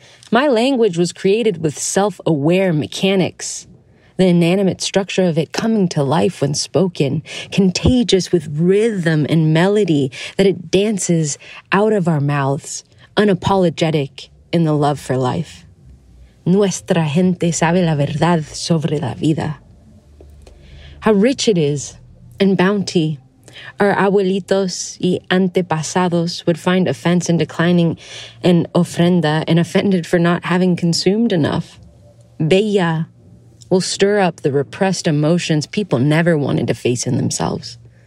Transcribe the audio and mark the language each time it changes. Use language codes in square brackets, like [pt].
[en] My language was created with self-aware mechanics. The inanimate structure of it coming to life when spoken, contagious with rhythm and melody that it dances out of our mouths, unapologetic in the love for life. [es] Nuestra gente sabe la verdad sobre la vida. [en] How rich it is, and bounty. Our [es] abuelitos y antepasados [en] would find offense in declining an ofrenda and offended for not having consumed enough. Bella will stir up the repressed emotions people never wanted to face in themselves.